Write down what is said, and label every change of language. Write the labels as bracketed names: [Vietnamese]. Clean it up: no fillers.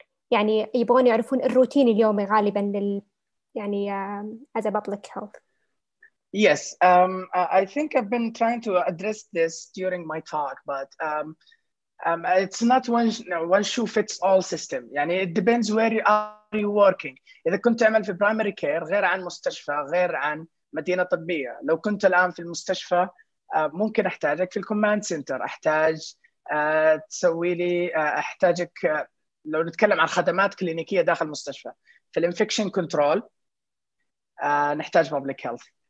[Arabic] يعني يبغون يعرفون الروتين اليومي غالباً لل يعني [English] as a public health. Yes, I think I've been trying to address this during my talk, but it's not one shoe fits all system. يعني it depends where are you working. [Arabic] إذا كنت تعمل في primary care غير عن مستشفى غير عن مدينة طبية. لو كنت الآن في المستشفى ممكن أحتاجك في الكوماند سنتر, أحتاج تسوي لي أحتاجك لو نتكلم عن خدمات كلينيكية داخل المستشفى في الانفكشن كنترول نحتاج public health.